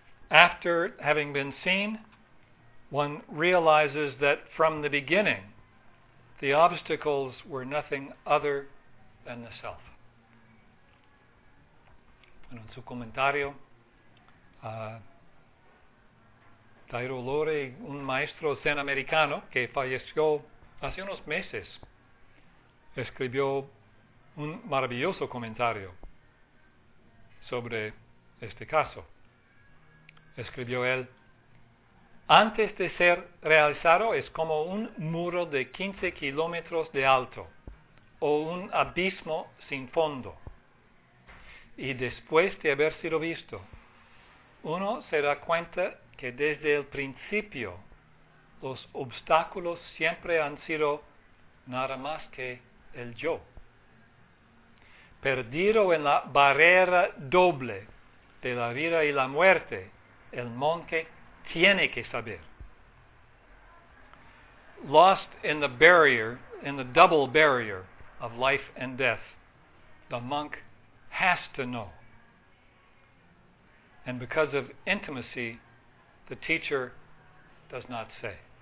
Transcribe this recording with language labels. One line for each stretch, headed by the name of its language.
English: After having been seen, one realizes that from the beginning, the obstacles were nothing other than the self.
Spanish: Bueno, en su comentario, Dairo Lore, un maestro zen americano que falleció hace unos meses, escribió un maravilloso comentario sobre este caso. Escribió él, antes de ser realizado es como un muro de 15 kilómetros de alto o un abismo sin fondo. Y después de haber sido visto, uno se da cuenta que desde el principio los obstáculos siempre han sido nada más que el yo. Perdido en la barrera doble de la vida y la muerte, el monje tiene que saber.
English: Lost in the barrier, in the double barrier of life and death, the monk has to know. And because of intimacy, the teacher does not say.